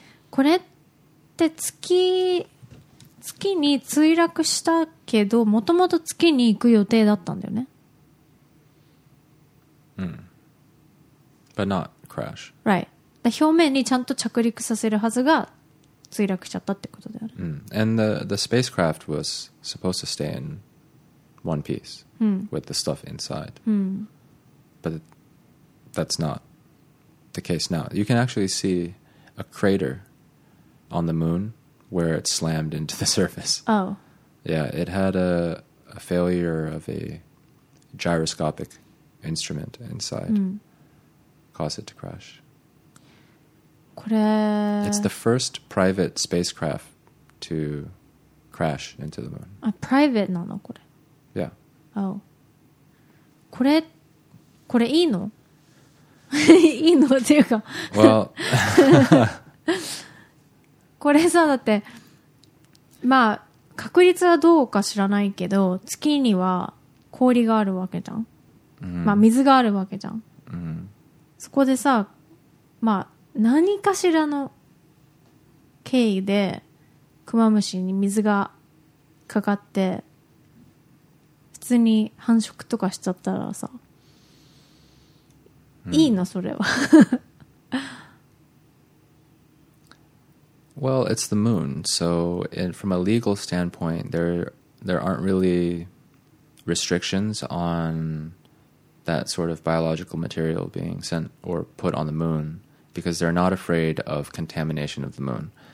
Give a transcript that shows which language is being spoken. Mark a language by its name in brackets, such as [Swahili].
[Japanese] これって月に墜落したけど、もともと月に行く予定だったんだよね。 [English] But not crash. Right. [Japanese] 表面にちゃんと着陸させるはずが、墜落しちゃったってことだよね。 [English] And the spacecraft was supposed to stay in one piece with the stuff inside. But that's not the case now. You can actually see a crater on the moon where it slammed into the surface. Oh. Yeah, it had a failure of a gyroscopic instrument inside caused it to crash. It's the first private spacecraft to crash into the moon. [Japanese] あ、プライベートなのこれ。 [English] Yeah. [Japanese] Oh. これいいの？いいのっていうか。 [English] Well. [Japanese] これさ、だって、まあ、確率はどうか知らないけど、月には氷があるわけじゃん。まあ、水があるわけじゃん。そこでさ、まあ、何かしらの経緯でクマムシに水がかかって普通に繁殖とかしちゃったらさ、いいのそれは。 [English] Well, it's the moon, so from a legal standpoint, there aren't really restrictions on that sort of biological material being sent or put on the moon. Because they're not afraid of contamination of the moon.